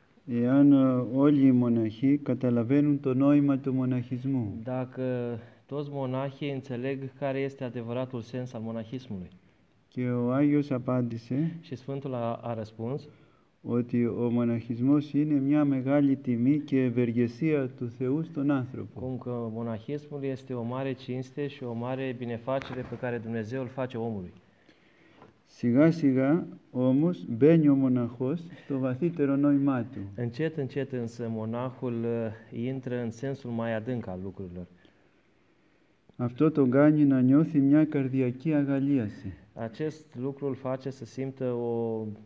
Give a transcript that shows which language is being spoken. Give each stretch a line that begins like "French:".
Greek: Εάν όλοι οι μοναχοί καταλαβαίνουν το νόημα του μοναχισμού.
Romanian: Dacă toți monahii înțeleg care este adevăratul sens al monahismului.
Greek: Και ο Άγιος απάντησε.
Romanian: Și Sfântul a răspuns.
Greek: Ότι ο μοναχισμός είναι μια μεγάλη τιμή και ευεργεσία του Θεού στον άνθρωπο.
Romanian: Cum că monahismul este o mare cinste și o mare binefacere pe care Dumnezeu îl face omului.
Greek: Σιγά σιγά όμως μπαίνει ο μοναχός στο βαθύτερο νόημά του.
Romanian: Încet, încet însă monahul intră în sensul mai adânc al lucrurilor.
Greek: Αυτό τον κάνει να νιώθει μια καρδιακή αγαλίαση.
Romanian: Acest lucru îl face să simtă o